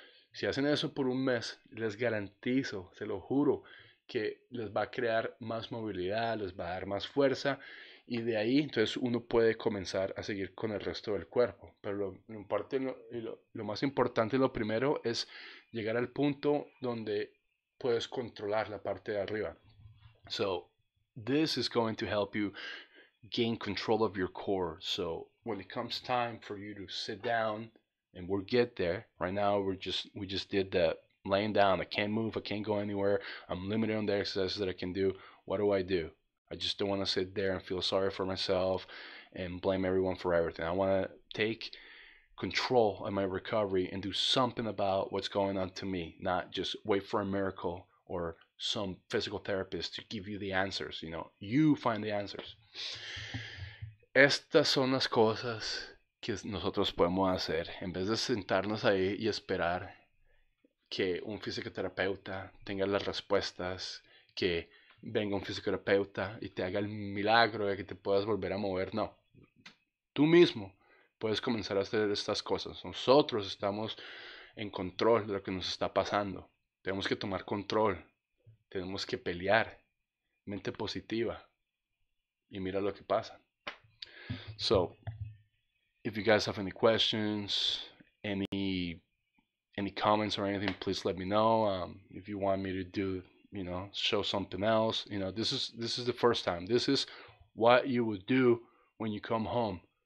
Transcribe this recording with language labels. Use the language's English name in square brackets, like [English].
[Spanish] Si hacen eso por un mes, les garantizo, se lo juro, que les va a crear más movilidad, les va a dar más fuerza. Y de ahí, entonces, uno puede comenzar a seguir con el resto del cuerpo. Pero lo más importante, lo primero, es llegar al punto donde puedes controlar la parte de arriba. [English] So, this is going to help you gain control of your core. So, when it comes time for you to sit down, and we'll get there. Right now, we just did the laying down. I can't move. I can't go anywhere. I'm limited on the exercises that I can do. What do? I just don't want to sit there and feel sorry for myself and blame everyone for everything. I want to take control of my recovery and do something about what's going on to me, not just wait for a miracle or some physical therapist to give you the answers. You know, you find the answers. [Spanish] Estas son las cosas que nosotros podemos hacer en vez de sentarnos ahí y esperar que un fisioterapeuta tenga las respuestas, que venga un fisioterapeuta y te haga el milagro de que te puedas volver a mover. No, tú mismo puedes comenzar a hacer estas cosas. Nosotros estamos en control de lo que nos está pasando. Tenemos que tomar control, tenemos que pelear, mente positiva, y mira lo que pasa. [English] So, if you guys have any questions, any comments or anything, please let me know. If you want me to do, you know, show something else, you know, this is the first time. This is what you would do when you come home.